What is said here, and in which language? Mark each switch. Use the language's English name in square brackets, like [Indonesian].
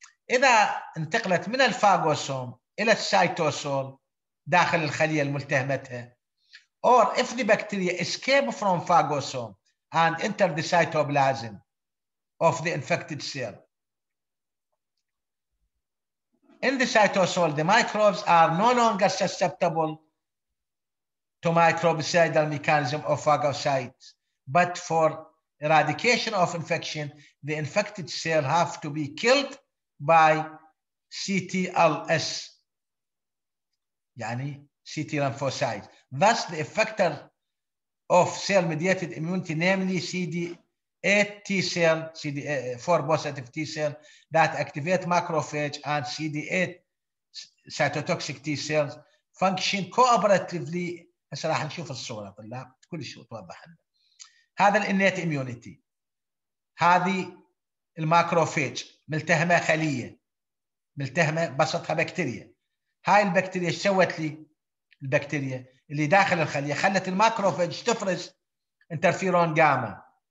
[Arabic] إذا انتقلت من الفاغوسوم إلى السيتوسول داخل الخلية الملتهمتها [English] or if the bacteria escape from phagosome and enter the cytoplasm of the infected cell. In the cytosol the microbes are no longer susceptible to microbicidal mechanism of phagocytes, but for eradication of infection, the infected cell have to be killed by CTLS, يعني CT lymphocytes. Thus, the effector of cell-mediated immunity, namely CD8 T cell, CD4 positive T cell, that activate macrophage and CD8 cytotoxic T cells, function cooperatively. [Arabic] هسه راح نشوف الصورة طلاب كل شيء توضح لنا. هذا الانيت اميونيتي، هذه الماكروفيج ملتهمة خلية ملتهمة بسطها بكتيريا. هاي البكتيريا ايش سوت لي؟ البكتيريا اللي داخل الخلية خلت الماكروفيج تفرز انترفيرون جاما.